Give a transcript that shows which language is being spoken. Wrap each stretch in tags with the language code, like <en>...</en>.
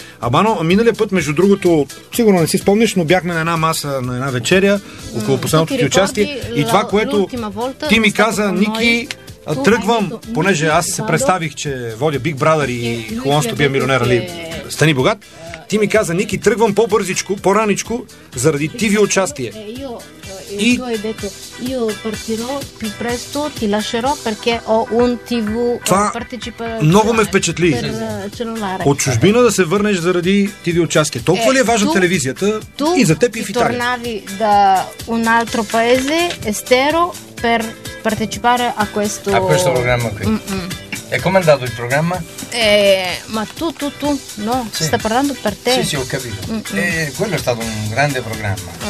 <bg>Албано, миналия път, между другото, сигурно не си спомниш, но бяхме на една маса, на една вечеря, около последното ти участие. И това, което ти ми каза, Ники, тръгвам, понеже аз се представих, че водя Big Brother и Холонсто бия милионер, али стани богат. Ти ми каза, Ники, тръгвам по-бързичко, по-раничко, заради TV участие. И</bg> <it>io partirò più presto, ti lascerò perché ho un TV partecipa.</it> <bg>Много ме впечатли. От чужбина да се върнеш заради TV участие. Толкова ли е важна телевизията и за теб и в Италия?</bg> <it>Tornavi da un altro paese estero per partecipare a questo programma qui. E come è andato il programma? Ma tu, no, sì. Sta parlando per te. Sì, ho capito. Quello è stato un grande programma.</it>